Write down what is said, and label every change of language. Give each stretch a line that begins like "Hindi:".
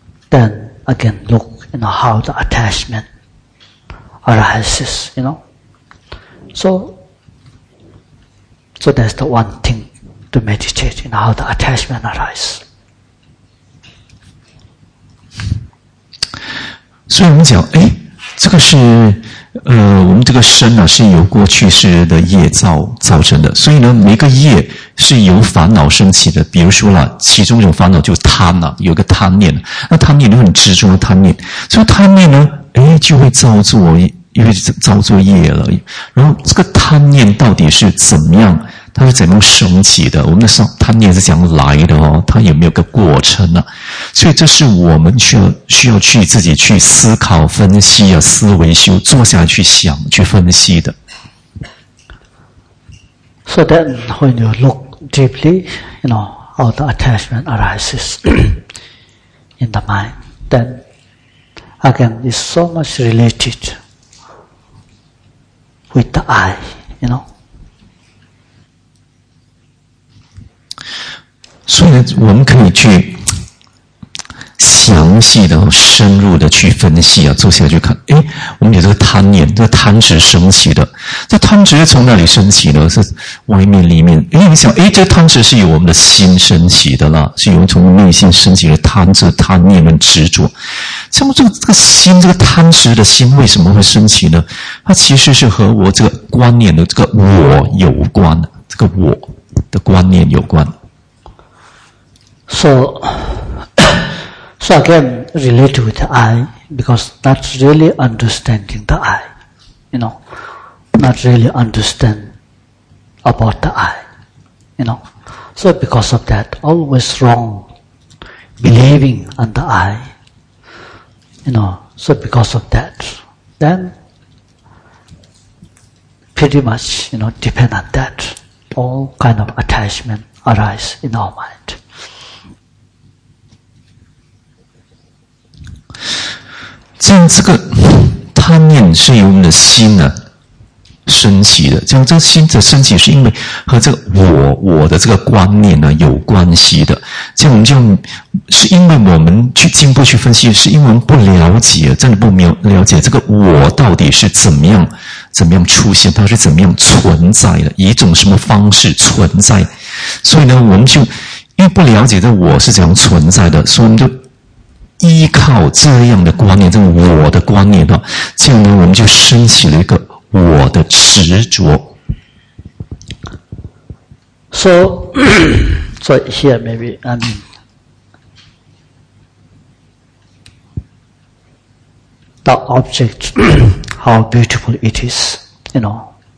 English: Then again, look, you know, how the attachment arises, you know. So that's the one thing to meditate in, how the attachment arises.
Chinese: 所以我们讲，哎，这个是，我们这个身呢、啊、是由过去式的业造成的。所以呢，每个业是由烦恼升起的。比如说了，其中一种烦恼就是贪了、啊，有个贪念，那贪念就很执着的贪念，所以贪念呢，哎，就会造作，因为造作业了。然后这个贪念到底是怎么样？它是怎么升起的？我们的贪念是怎样来的哦？它有没有个过程呢、啊？所以这是我们需要去自己去思考、分析啊，思维修，坐下去想、去分析的。
English: So then, when you look deeply, you know how the attachment arises in the mind. Then again, it's so much related with the eye, you know.
Chinese: 所以我们可以去详细的、深入的去分析啊，坐下去看。哎，我们有这个贪念，这个贪执升起的。这贪执从哪里升起呢？是外面、里面。哎，你想，哎，这贪执是由我们的心升起的啦，是由从内心升起的贪执、贪念跟执着。这么这个心，这个贪执的心为什么会升起呢？它其实是和我这个观念的这个我有关的，这个我的观念有关。
English: So again, relate with the I, because not really understanding the I, you know, not really understand about the I, you know. So because of that, always wrong believing on the I, you know. So because of that, then pretty much, you know, depend on that, all kind of attachment arise in our mind.
Chinese: 像这个贪念是由我们的心呢、啊、升起的，像这个心的升起是因为和这个我的这个观念呢、啊、有关系的。像我们就是因为我们去进步去分析，是因为我们不了解，真的不了解这个我到底是怎么样出现，它是怎么样存在的，以一种什么方式存在。所以呢，我们就因为不了解这我是怎样存在的，所以我们就依靠这样的观念，这种我的观念的，这样呢，我们就升起了一个我的执着。
English: So here maybe the object, how beautiful it is, you know.